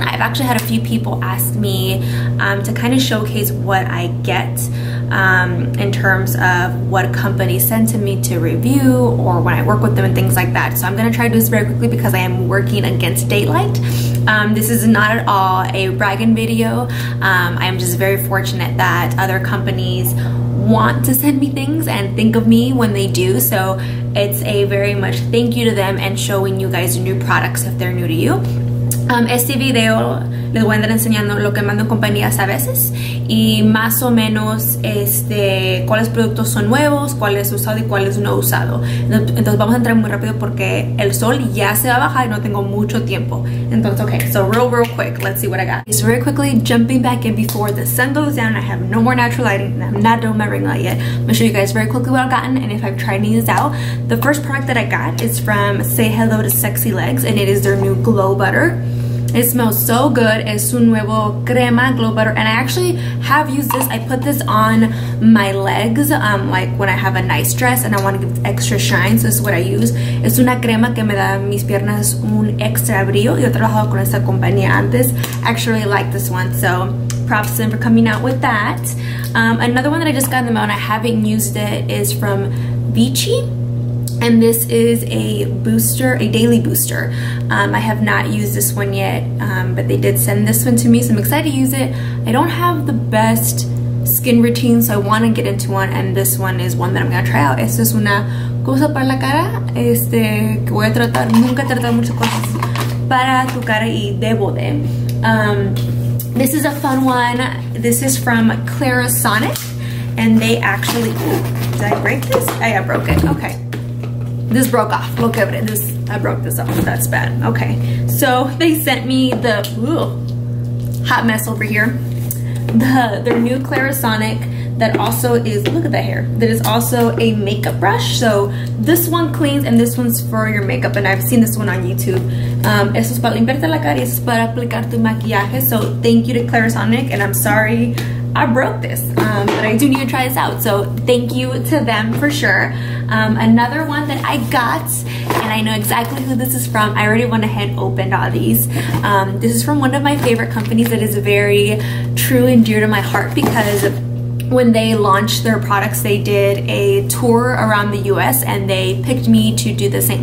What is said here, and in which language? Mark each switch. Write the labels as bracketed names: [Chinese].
[English] I've actually had a few people ask me to kind of showcase what I get in terms of what companies send to me to review or when I work with them and things like that. So I'm gonna try to do this very quickly because I am working against daylight. This is not at all a bragging video. I am just very fortunate that other companies want to send me things and think of me when they do. So it's a very much thank you to them and showing you guys new products if they're new to you. [Spanish] Este video les voy a andar enseñando lo que mando compañías a veces y más o menos cuáles productos son nuevos, cuáles usado y cuáles no usado. Entonces vamos a entrar muy rápido porque el sol ya se va a bajar y no tengo mucho tiempo. Entonces, [English] okay, so real quick, let's see what I got. So very quickly, jumping back in before the sun goes down, I have no more natural lighting and I'm not doing my ring light yet. I'm gonna show you guys very quickly what I've gotten and if I've tried any of these out. The first product that I got is from Say Hello to Sexy Legs and it is their new Glow Butter. It smells so good. [Spanish] Es un nuevo crema glow butter. [English] And I actually have used this. I put this on my legs, like when I have a nice dress and I want to give extra shine. So this is what I use. [Spanish] Es una crema que me da mis piernas un extra brillo. Yo he trabajado con esta compañía antes. [English] Actually like this one. So props to them for coming out with that. Another one that I just got in the mail and I haven't used it is from Vichy. And this is a booster, a daily booster. I have not used this one yet, but they did send this one to me, so I'm excited to use it. I don't have the best skin routine, so I want to get into one, and this one is one that I'm going to try out. [Spanish] Esto es una cosa para la cara, que voy a tratar, nunca he tratado muchas cosas para tu cara y debo de. [English] This is a fun one. This is from Clarisonic, and they actually, ooh, did I break this? Oh yeah, I broke it, okay. This broke off. Look at it. I broke this off. That's bad. Okay. So they sent me the hot mess over here. Their new Clarisonic that also is, look at that hair. That is also a makeup brush. So this one cleans and this one's for your makeup. And I've seen this one on YouTube. [Spanish] Eso es para limpiarte la cara y eso es para aplicar tu maquillaje. [English] So thank you to Clarisonic and I'm sorry I broke this. But I do need to try this out. So thank you to them for sure. Another one that I got, and I know exactly who this is from. I already went ahead and opened all these. This is from one of my favorite companies that is very true and dear to my heart because when they launched their products, they did a tour around the US and they picked me to do the St.